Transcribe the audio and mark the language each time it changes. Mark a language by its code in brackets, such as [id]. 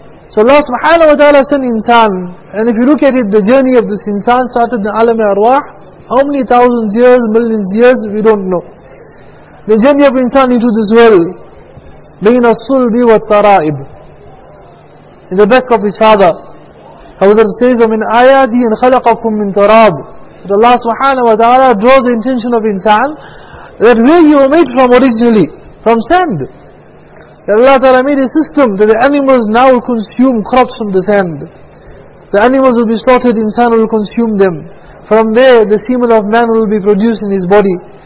[en] So Allah subhanahu wa ta'ala sent insan, and if you look at it, the journey of this insan started in alam arwah, how many thousands of years, millions of years, we don't know. The journey of insan into this world, [ar] بين الصلب والترائب, [en] in the back of his father. Hazrat says, [ar] وَمِنْ آيَاتِهِ إِنْ خَلَقَكُمْ مِنْ تَرَابٍ. [en] But Allah subhanahu wa ta'ala draws the intention of insan, that where you were made from originally, from sand. Allah Ta'ala made a system that the animals now will consume crops from the sand. The animals will be slaughtered, insan will consume them. From there, the semen of man will be produced in his body.